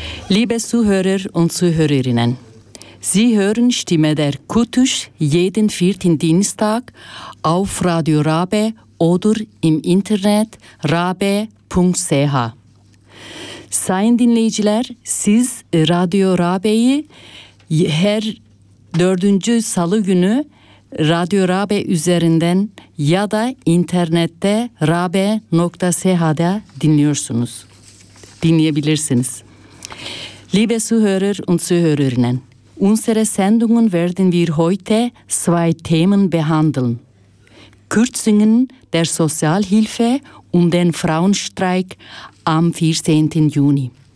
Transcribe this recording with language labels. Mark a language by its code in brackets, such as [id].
[de] Liebe Zuhörer und Zuhörerinnen, Sie hören Stimme der Kutuş jeden vierten Dienstag auf Radio Rabe oder im Internet rabe.ch. [tr] Sayın dinleyiciler, siz Radio Rabe'yi her dördüncü salı günü Radio Rabe üzerinden ya da internette rabe.ch'da dinliyorsunuz. Dinleyebilirsiniz. [de] Liebe Zuhörer und Zuhörerinnen, unsere Sendungen werden wir heute zwei Themen behandeln. Kürzungen der Sozialhilfe und den Frauenstreik am 14. Juni.